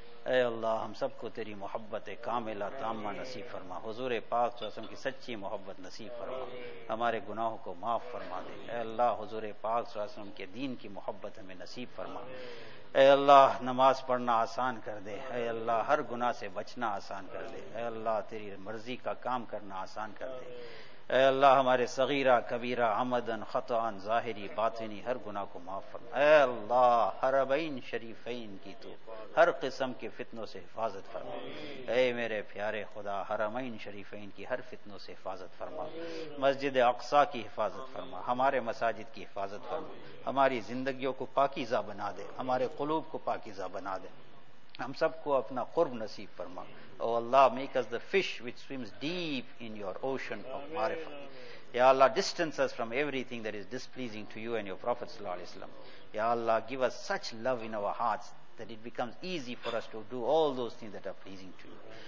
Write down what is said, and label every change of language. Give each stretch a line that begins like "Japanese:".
Urdu: اے اللہ ہم سب کو تیری محبت کاملہ تامہ نصیب فرما, حضور پاک صلی اللہ علیہ وسلم کی سچی محبت نصیب فرما, ہمارے گناہوں کو معاف فرما دے. اے اللہ حضور پاک صلی اللہ علیہ وسلم کے دین کی محبت ہمیں نصیب فرما. اے اللہ نماز پڑھنا آسان کر دے. اے اللہ ہر گناہ سے بچنا آسان کر دے. اے اللہ تیری مرضی کا کام کرنا آسان کر دے. اے اللہ ہمارے صغیرہ کبیرہ عمدن خطعن ظاہری باطنی ہر گناہ کو معاف فرما. اے اللہ حربین شریفین کی تو ہر قسم کے فتنوں سے حفاظت فرما. اے میرے پیارے خدا حرمین شریفین کی ہر فتنوں سے حفاظت فرما, مسجد اقصی کی حفاظت فرما, ہمارے مساجد کی حفاظت فرما, ہماری زندگیوں کو پاکیزہ بنا دے, ہمارے قلوب کو پاکیزہ بنا دے, ہم سب کو اپنا قرب نصیب فرما.
English: O Allah make us the fish which swims deep in your ocean of معرفت. یا Allah distance us from everything that is displeasing to you and your prophet صلی اللہ علیہ وسلم. یا Allah give us such love in our hearts that it becomes easy for us to do all those things that are pleasing to you.